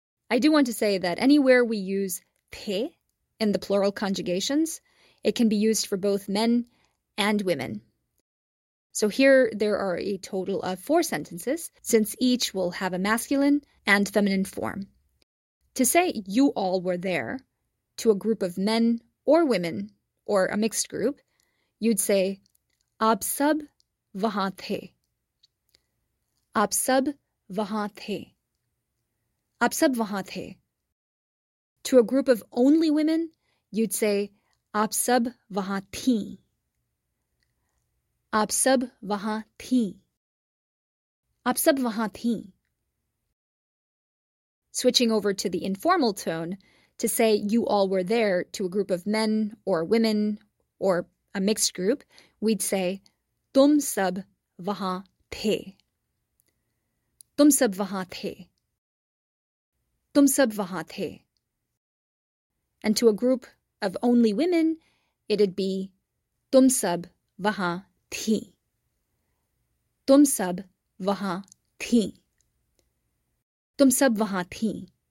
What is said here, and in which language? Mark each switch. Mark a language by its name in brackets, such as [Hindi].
[English] I do want to say that anywhere we use te in the plural conjugations, it can be used for both men and women. So here there are a total of four sentences, since each will have a masculine and feminine form. To say you all were there to a group of men or women, or a mixed group, you'd say [Hindi] आप सब वहां थे. आप सब वहां थे. आप सब वहां थे. [English] To a group of only women, you'd say [Hindi] आप सब वहां थीं. आप सब वहां थीं. आप सब वहां थीं. [English] Switching over to the informal tone, to say you all were there to a group of men or women or a mixed group, we'd say [Hindi] तुम सब वहां थे. तुम सब वहां थे. तुम सब वहां थे. [English] And to a group of only women, it'd be [Hindi] तुम सब वहां थीं. तुम सब वहां थीं. तुम सब वहां थीं.